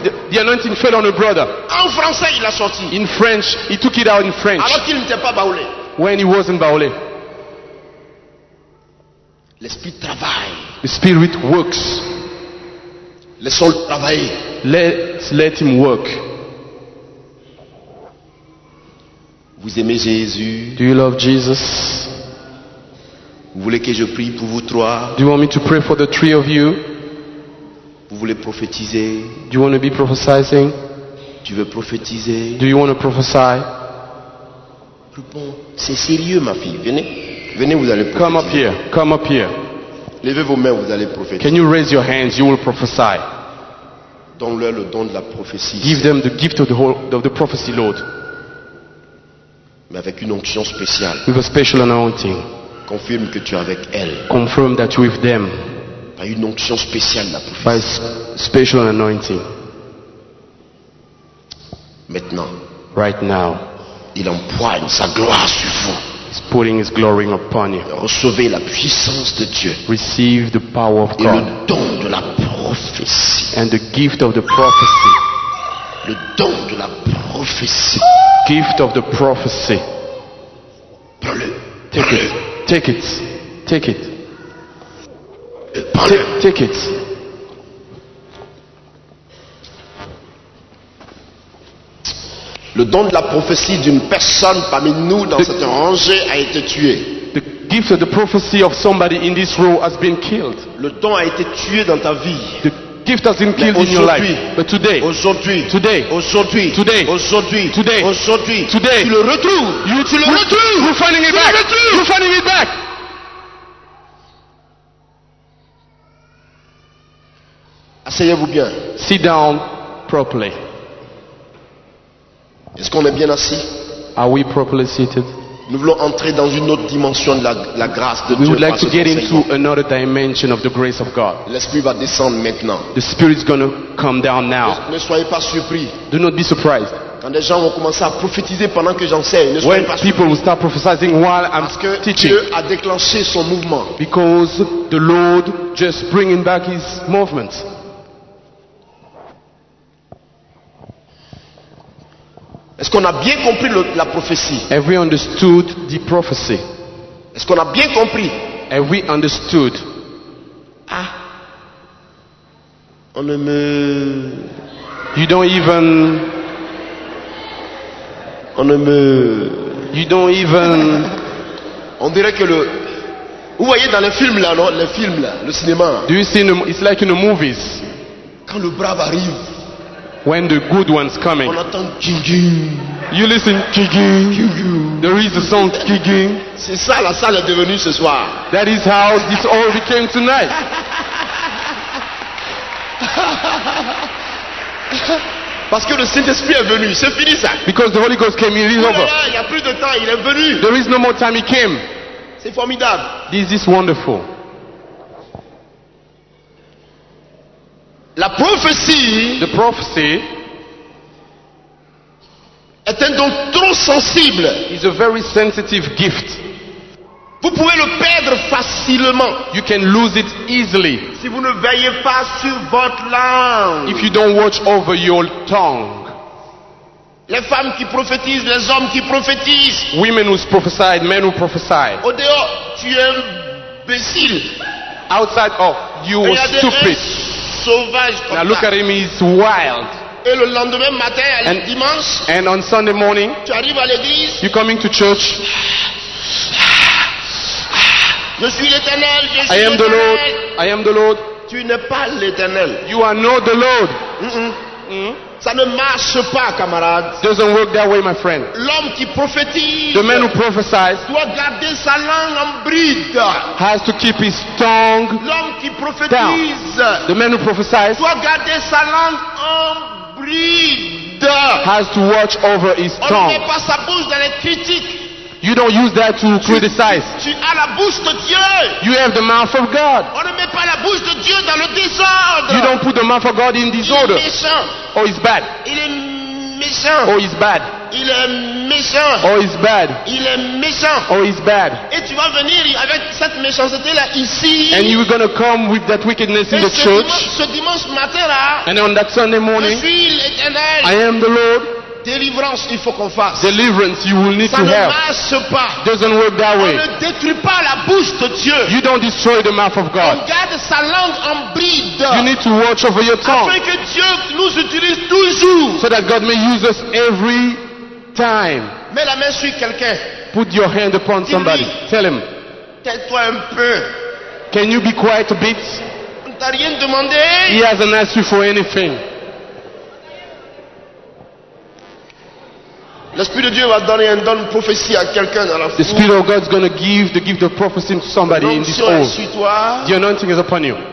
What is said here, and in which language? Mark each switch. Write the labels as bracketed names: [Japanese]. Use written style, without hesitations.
[English] The anointing fell on her brother. [French] En français, il l'a sorti. [English] In French, he took it out in French. [French] Alors qu'il n'était pas baoulé. [English] When he wasn't baoulé. [French] L'esprit travaille. [English] The spirit works. [French] Laisse-le travailler. [English] Let him work. [French] Vous aimez Jésus? [English] Do you love Jesus? [French] Vous voulez que je prie pour vous trois? [English] Do you want me to pray for the three of you? [French] Vous voulez prophétiser? [English] Do you want to be prophesizing? [French] Tu veux prophétiser? [English] Do you want to prophesy? [French] Réponds. C'est sérieux, ma fille. Venez, venez, vous allez prophétiser. [English] Come up here. Come up here. [French] Levez vos mains, vous allez prophétiser. [English] Can you raise your hands? You will prophesy. [French] Donne-leur le don de la prophétie. [English] Give them the gift of the prophecy, Lord. [French] Mais avec une onction spéciale. [English] With a special anointing. [French] Confirme que tu es avec elle. [English] Confirm that you're with them. [French] Par une onction spéciale, la prophétie. [English] By special anointing. [French] Maintenant. [English] Right now. [French] Il empoigne sa gloire sur vous. [English] He's putting his glory upon you. [French] Recevez la puissance de Dieu. [English] Receive the power of [French] et [English] God. [French] Et le don de la prophétie. [English] And the gift of the prophecy. [French] Le don de la prophétie. [English] Gift of the prophecy. [French] Prends-le. [English] Take it. Take it. Take it. Take it. [French] Le don de la prophétie d'une personne parmi nous dans cette rangée a été tué. [English] The gift of the prophecy of somebody in this row has been killed. [French] Le don a été tué dans ta vie. [English] The gift has been killed in your life. But today. [French] Aujourd'hui. [English] Today. [French] Aujourd'hui. [English] Today. [French] Aujourd'hui. [English] Today. [French] Aujourd'hui. [English] Today. [French] Tu le retrouves. Tu le retrouves. [English] You're finding it back. You're finding it back. [French] Asseyez-vous bien. [English] Sit down properly. [French] Est-ce qu'on est bien assis? [English] Are we properly seated? [French] Nous voulons entrer dans une autre dimension de la grâce de [English] we [French] Dieu. [English] We would like to get into another dimension of the grace of God. [French] L'esprit va descendre maintenant. [English] The spirit is going to come down now. [French] Ne soyez pas surpris. [English] Do not be surprised. [French] Quand des gens vont commencer à prophétiser pendant que j'enseigne, ne soyez pas surpris. [English] When people will start prophesying while I'm [French] parce que [English] teaching. [French] Dieu a déclenché son mouvement. [English] Because the Lord just bringing back his movement. [French] Est-ce qu'on a bien compris la prophétie? [English] Have we understood the prophecy? [French] Est-ce qu'on a bien compris? [English] Have we understood? Ah. [French] On ne me... [English] You don't even... [French] On ne me... [English] You don't even... [French] On dirait que le... Vous voyez dans les films là, non? Les films là, le cinéma. [English] Do you see in the... It's like in the movies. [French] Quand le brave arrive. [English] When the good one's coming. [French] On entend ging-ging. [English] You listen ging-ging. There is a song ging-ging. [French] C'est ça la salle est devenue ce soir. [English] That is how this all became tonight. [French] Parce que le Saint-Esprit est venu, c'est fini ça. [English] Because the Holy Ghost came, it is over. [French] Il y a plus de temps, il est venu. [English] There is no more time, he came. [French] C'est formidable. [English] This is wonderful. [French] La prophétie, [English] the prophecy, [French] est un don trop sensible. [English] Is a very sensitive gift. [French] Vous pouvez le perdre facilement. [English] You can lose it easily. [French] Si vous ne veillez pas sur votre langue. [English] If you don't watch over your tongue. [French] Les femmes qui prophétisent, les hommes qui prophétisent. [English] Women who prophesy, men who prophesy. [French] Au dehors, tu es imbécile. [English] Outside, oh, you are stupid. [French] Sauvage. [English] Now look at him, he's wild. [French] Et le lendemain matin, and, dimanche. [English] And on Sunday morning. [French] Tu arrives à l'église. [English] You're coming to church. [French] Je suis l'Éternel, je suis [English] I am the Lord. I am the Lord. [French] Tu n'es pas l'Éternel. [English] You are not the Lord. [French] Ça ne marche pas, camarade. [English] Doesn't work that way, my friend. [French] L'homme qui prophétise. [English] The man who prophesies. [French] Doit garder sa langue en bride. [English] Has to keep his tongue. [French] L'homme qui prophétise. [English] The man who prophesies. [French] Doit garder sa langue en bride. [English] Has to watch over his tongue. [French] On ne met pas sa bouche dans les critiques. [English] You don't use that to criticize. [French] Tu as la bouche de Dieu. [English] You have the mouth of God. [French] On ne met pas la bouche de Dieu dans le désordre. [English] You don't put the mouth of God in disorder. [French] Il est méchant. [English] Or it's bad. [French] Il est méchant. [English] Or it's bad. [French] Il est méchant. [English] Or it's bad. [French] Il est méchant. [English] Or it's bad. [French] Et tu vas venir avec cette méchanceté là ici. [English] And you're gonna come with that wickedness in the church. [French] Ce dimanche matin là. [English] And on that Sunday morning. [French] Je suis l'Éternel. [English] I am the Lord. [French] Deliverance, il faut qu'on fasse. [English] Deliverance, you will need [French] ça [English] to have. [French] Ça ne marche pas. [English] Doesn't work that way. [French] On ne détruit pas la bouche de Dieu. [English] You don't destroy the mouth of God. [French] On garde sa langue en bride. [English] You need to watch over your tongue. [French] Afin que Dieu nous utilise toujours. [English] So that God may use us every time. [French] Mets la main sur quelqu'un. [English] Put your hand upon somebody. Tell him. [French] Tais-toi un peu. [English] Can you be quiet a bit? [French] On t'a rien demandé. [English] He hasn't asked you for anything. [French] L'Esprit de Dieu va donner un don de prophétie à quelqu'un dans la foule. [English] The Spirit of God is going to give the gift of prophecy to somebody in this hall. [French] L'onction est sur toi. [English] The anointing is upon you.